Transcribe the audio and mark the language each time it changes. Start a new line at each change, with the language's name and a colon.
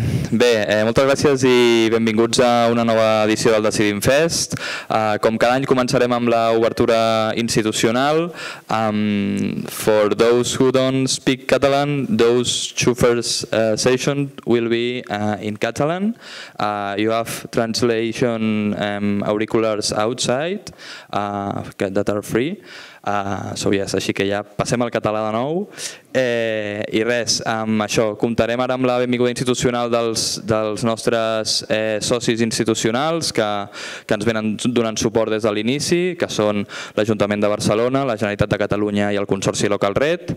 Catalan: Bé, moltes gràcies I benvinguts a una nova edició del Decidim Fest. Com cada any començarem amb l'obertura institucional.
English: For those who don't speak Catalan, those two first sessions will be in Catalan. You have translation auriculars outside that are free.
Catalan: Yes, així que ja passem al català de nou. I res, amb això, comptarem ara amb la benvinguda institucional dels nostres socis institucionals que ens venen donant suport des de l'inici, que són l'Ajuntament de Barcelona, la Generalitat de Catalunya I el Consorci Local Red.